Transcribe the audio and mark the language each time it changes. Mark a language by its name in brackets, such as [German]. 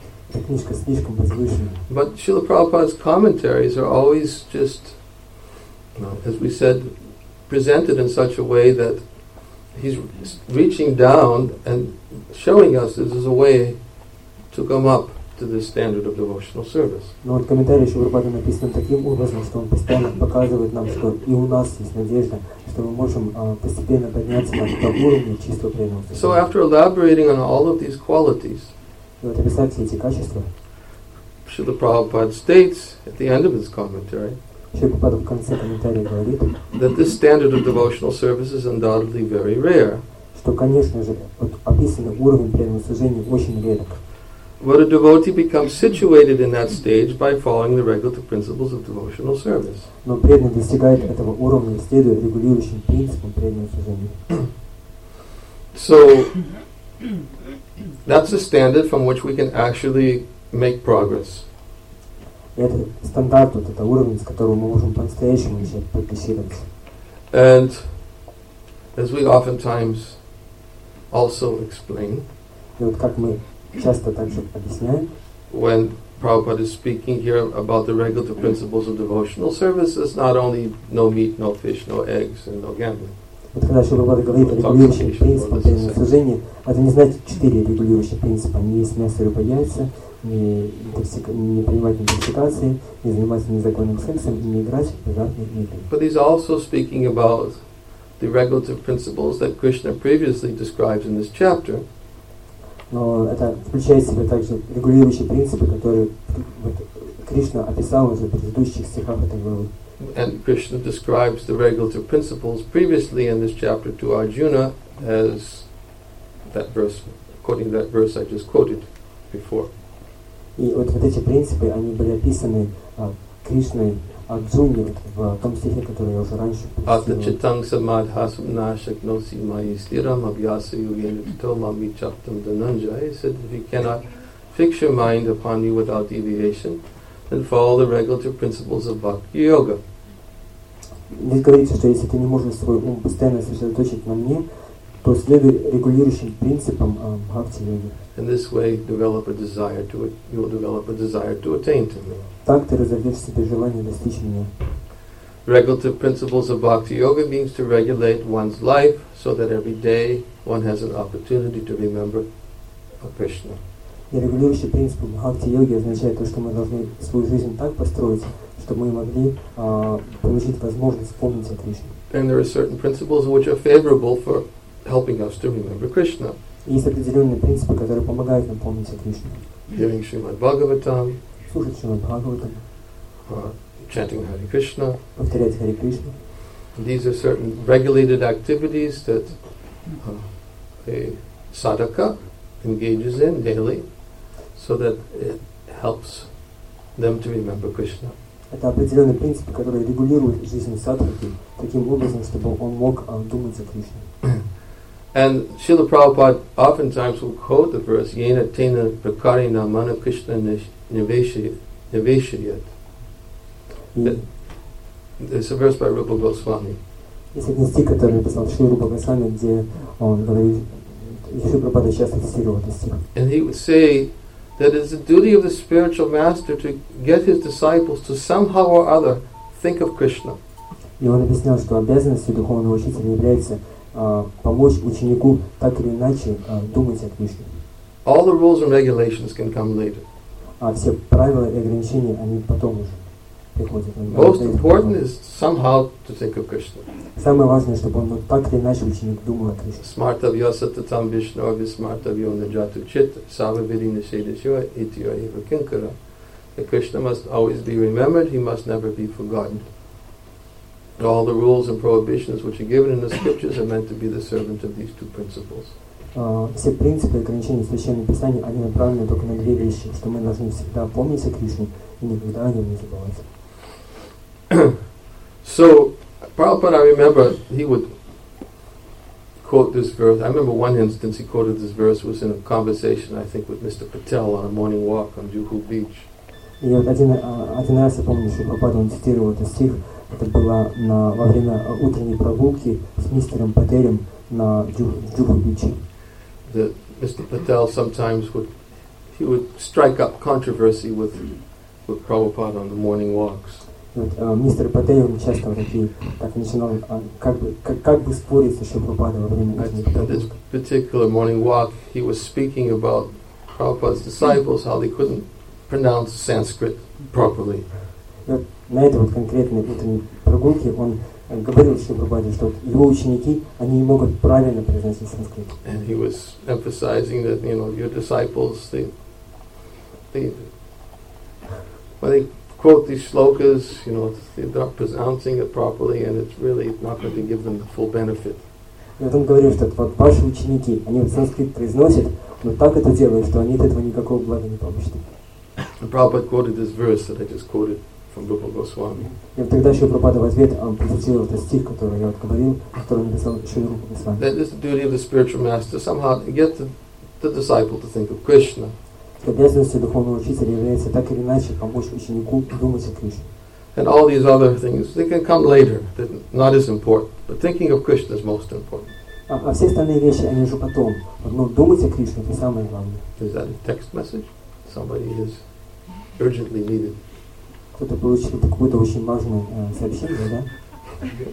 [English] But Srila Prabhupada's commentaries are always just, as we said, presented in such a way that he's reaching down and showing us this is a way to come up to the standard of devotional service. [Russian] Но вот комментарий Шрилы Прабхупады написан таким образом, что он постоянно показывает нам, что и у нас есть надежда, что мы можем постепенно подняться на этот уровень чистого преданного служения. [English] So after elaborating on all of these qualities, [Russian] и вот описать все эти качества, [English] Шрила Прабхупада states at the end of his commentary, [Russian] Шрила Прабхупада в конце комментария говорит, [English] that this standard of devotional service is undoubtedly very rare. [Russian] Что, конечно же, вот описанный уровень преданного служения очень редок. [English] But a devotee becomes situated in that stage by following the regulative principles of devotional service. [Russian] Но преданный достигает этого уровня, следуя регулирующим принципам преданного служения. [English] So, that's a standard from which we can actually make progress. [Russian] Это стандарт, вот это уровень, с которого мы можем по-настоящему начать прогрессировать. [English] And, as we oftentimes also explain, [Russian] и вот как мы часто также объясняем, [English] when Prabhupada is speaking here about the regulative principles of devotional service, it's not only no meat, no fish, no eggs, and no gambling. [Russian] Вот когда Шрила Прабхупада говорит о регулирующих принципах преданного служения, это не значит четыре регулирующих принципа. Не есть мясо, рыба, яйца, не принимать интоксикации, не заниматься незаконным сексом, не играть в азартные игры. [English] But he's also speaking about the regulative principles that Krishna previously describes in this chapter. [Russian] Но это включает в себя также регулирующие принципы, которые вот, Кришна описал уже в предыдущих стихах этой главы. [English] And Krishna describes the regulative principles previously in this chapter to Arjuna as that verse, quoting that verse I just quoted before. [Russian] И вот, вот эти принципы, они были описаны Кришной Арджуне в том стихе, который я уже раньше писал. [Sanskrit] Ата читанг самадхасам нашак носи майи стирам абьяса югену титома мичаптам дананджай. [English] He said, if you cannot fix your mind upon me without deviation, then follow the regulative principles of bhakti yoga. [Russian] Здесь говорится, что если ты не можешь свой ум постоянно сосредоточить на мне, то следуй регулирующим принципам бхакти йоги. [English] In this way, develop a desire to you will develop a desire to attain to me. [Russian] Так ты разовьешь в себе желание достичь меня. [English] Regulative principles of bhakti yoga means to regulate one's life so that every day one has an opportunity to remember Krishna. [Russian] И регулирующий принцип бхакти йоги означает то, что мы должны свою жизнь так построить, чтобы мы могли получить возможность вспомнить о Кришне. [English] And there are certain principles which are favorable for helping us to remember Krishna. [Russian] Есть определенные принципы, которые помогают нам помнить о Кришне. [English] Hearing Srimad Bhagavatam. [Russian] Слушать Шримад Бхагаватам. [English] Chanting Hare Krishna. [Russian] Повторять Хари Кришну. [English] These are certain regulated activities that a sadhaka engages in daily, so that it helps them to remember Krishna. [Russian] Это определенный принцип, который регулирует жизнь садхаки таким образом, чтобы он мог думать за Кришну. [English] And Srila Prabhupada oftentimes will quote the verse [Sanskrit] Yena Tena Prakarina Mana Krishna Niveshayat. [English] It's a verse by Rupa Goswami. [Russian] Есть один стих, который писал Шри Рупа Госвами, где он говорит, Шри Прабхупада часто цитировал этот стих. [English] And he would say that it's the duty of the spiritual master to get his disciples to somehow or other think of Krishna. [Russian] И он объяснял, что обязанностью духовного учителя является помочь ученику так или иначе думать о Кришне. [English] All the rules and regulations can come later. [Russian] Все правила и ограничения, они потом уже. [English] Most important is somehow to think of Krishna. [Russian] Самое важное, чтобы он так или иначе ученик думал о Кришне. [Sanskrit] Smartavyasatatam Vishnavi smartavyonajatu chitta savavirinasedasyoa itiyo eva kinkara. [English] That Krishna must always be remembered, he must never be forgotten. All the rules and prohibitions which are given in the scriptures are meant to be the servant of these two principles. [Russian] Все принципы и ограничения в Священном Писании, они направлены только на две вещи, что мы должны всегда помнить о Кришне и никогда о нем не забывать. [English] So, Prabhupada, I remember, he would quote this verse. I remember one instance he quoted this verse was in a conversation, I think, with Mr. Patel on a morning walk on Juhu Beach. [Russian] И вот один раз я помню, что Прабхупада цитировал этот стих. Это было во время утренней прогулки с мистером Пателем на Juhu Beach. [English] That Mr. Patel sometimes would strike up controversy with Prabhupada on the morning walks. [Russian] Мистер Патель часто так начинал как бы спорить с Шри Прабхупадой во время [English] this particular morning walk, he was speaking about Prabhupada's disciples, how they couldn't pronounce Sanskrit properly. [Russian] На этой вот конкретной утренней прогулке он говорил Шри Прабхупаде, что его ученики, они не могут правильно произносить санскрит. [English] And he was emphasizing that, you know, your disciples, they quote these shlokas, you know, they're not pronouncing it properly, and it's really not going to give them the full benefit. [Russian] Я там говорил, что вот ваши ученики, они вот санскрит произносят, но так это делают, что они от этого никакого блага не получат. [English] Prabhupada quoted this verse that I just quoted from Rupa Goswami. [Russian] И тогда еще Прабхупада в ответ процитировал этот стих, который я говорил, который написал Шри Рупа Госвами. [English] That is the duty of the spiritual master somehow to get the disciple to think of Krishna. [Russian] Обязанностью духовного учителя является так или иначе помочь ученику думать о Кришне. [English] And all these other things, they can come later. They're not as important. But thinking of Krishna is most important. [Russian] А все остальные вещи, они уже потом. Но думать о Кришне — это самое главное. [English] Is that a text message? Somebody is urgently needed. [Russian] Кто-то получил какое-то очень важное сообщение, да?